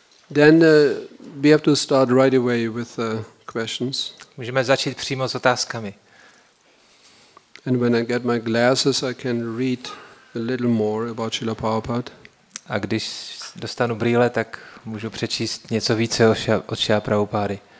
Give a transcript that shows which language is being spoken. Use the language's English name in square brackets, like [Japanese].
[English] Then we have to start right away with the questions. [Czech] Můžeme začít přímo s otázkami. [English] And when I get my glasses, I can read a little more about Srila Prabhupada. [Czech] A když dostanu brýle, tak můžu přečíst něco více o Srila Prabhupádě.